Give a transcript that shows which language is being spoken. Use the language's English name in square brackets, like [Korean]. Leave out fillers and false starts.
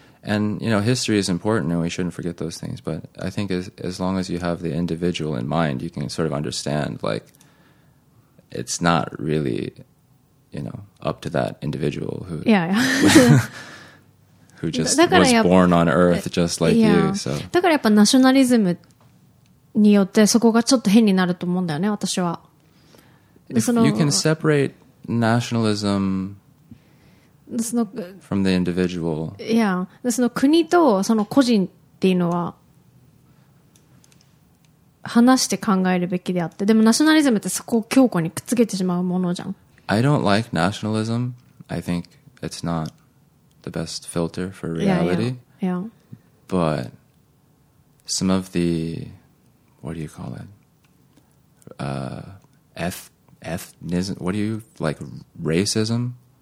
[English] And, you know, history is important and we shouldn't forget those things. But I think as long as you have the individual in mind, you can sort of understand, like, it's not really, you know, up to that individual who, who just was born on Earth just like you. So. [Japanese] だからやっぱナショナリズムによってそこがちょっと変になると思うんだよね、私は。 [English] You can separate nationalism from the individual. Yeah. [Japanese] でその国とその個人っていうのは話して考えるべきであって、でもナショナリズムってそこを強固にくっつけてしまうものじゃん。 [English] I don't like nationalism. I think it's not the best filter for reality. But some of the, what do you call it? Ethnism, what do you, like racism?